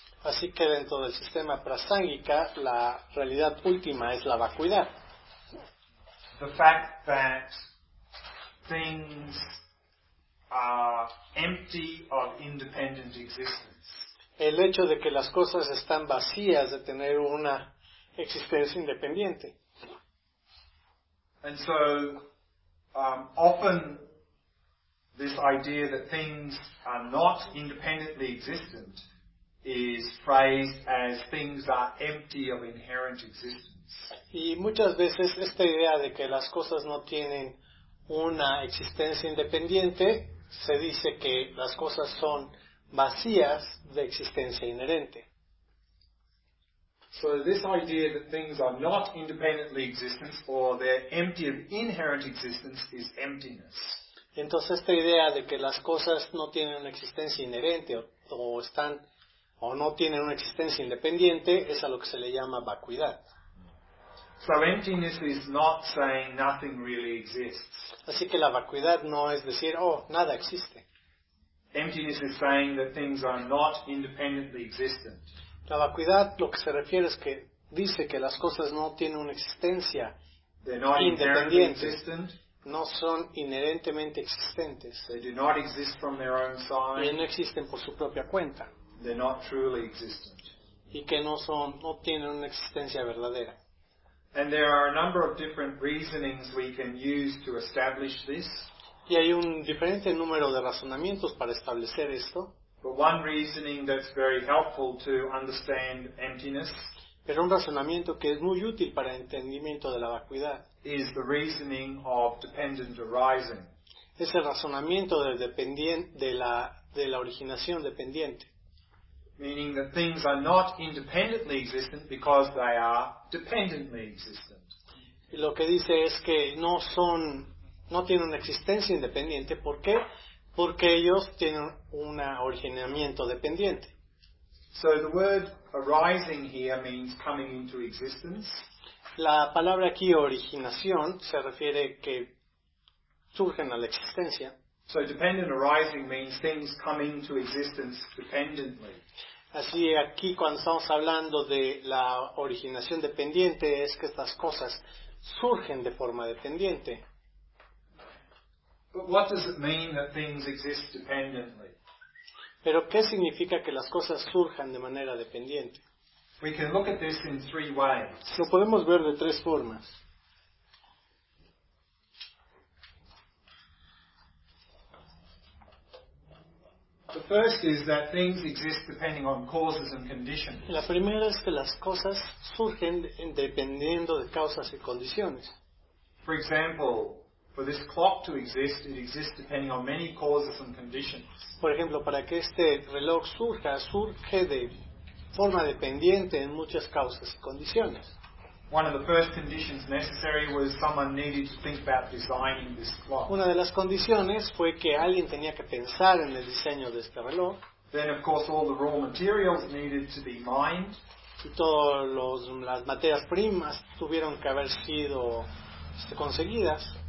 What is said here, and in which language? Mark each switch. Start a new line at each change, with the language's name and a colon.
Spanish: Así que dentro del sistema Prasangika, la realidad última es la vacuidad.
English: The fact that things are empty of independent existence.
Spanish: El hecho de que las cosas están vacías de tener una existencia independiente.
English: And so, often this idea that things are not independently existent is phrased as things are empty of inherent existence.
Spanish: Y muchas veces esta idea de que las cosas no tienen una existencia independiente, se dice que las cosas son vacías de existencia inherente.
English: So this idea that things are not independently existent or they're empty of inherent existence is emptiness.
Spanish: Entonces esta idea de que las cosas no tienen una existencia inherente o no tienen una existencia independiente es a lo que se le llama vacuidad.
English: So emptiness is not saying nothing really exists.
Spanish: Así que la vacuidad no es decir, oh, nada existe.
English: Emptiness is saying that things are not independently existent.
Spanish: La vacuidad lo que se refiere es que dice que las cosas no tienen una existencia independiente. No son inherentemente existentes.
English: They do not exist from their own side.
Spanish: Y no existen por su propia cuenta.
English: They're not truly existent.
Spanish: Y que no tienen una existencia verdadera.
English: And there are a number of different reasonings we can use to establish this.
Spanish: Y hay un diferente número de razonamientos para establecer esto.
English: But one reasoning that's very helpful to understand emptiness.
Spanish: Pero un razonamiento que es muy útil para el entendimiento de la vacuidad.
English: Is the reasoning of dependent arising.
Spanish: Es el razonamiento de la originación dependiente.
English: Meaning that things are not independently existent because they are dependently existent.
Spanish: Lo que dice es que no tienen una existencia independiente. ¿Por qué? Porque ellos tienen un originamiento dependiente.
English: So the word arising here means coming into existence.
Spanish: La palabra aquí, originación, se refiere que surgen a la existencia.
English: So dependent arising means things coming into existence dependently.
Spanish: Así aquí cuando estamos hablando de la originación dependiente es que estas cosas surgen de forma dependiente.
English: But what does it mean that things exist dependently?
Spanish: ¿Pero qué significa que las cosas surjan de manera dependiente?
English: We can look at this in three ways.
Spanish: Lo podemos ver de tres formas.
English: The first is that things exist depending on causes and conditions.
Spanish: La primera es que las cosas surgen dependiendo de causas y condiciones.
English: For example, for this clock to exist, it exists depending on many causes and conditions.
Spanish: Por ejemplo, para que este reloj surja, surge de forma dependiente en muchas causas y condiciones.
English: One of the first conditions necessary was someone needed to think about designing this clock.
Spanish: Una de las condiciones fue que alguien tenía que pensar en el diseño de este reloj.
English: Then, of course, all the raw materials needed to be mined.
Spanish: Y todas las materias primas tuvieron que haber sido conseguidas.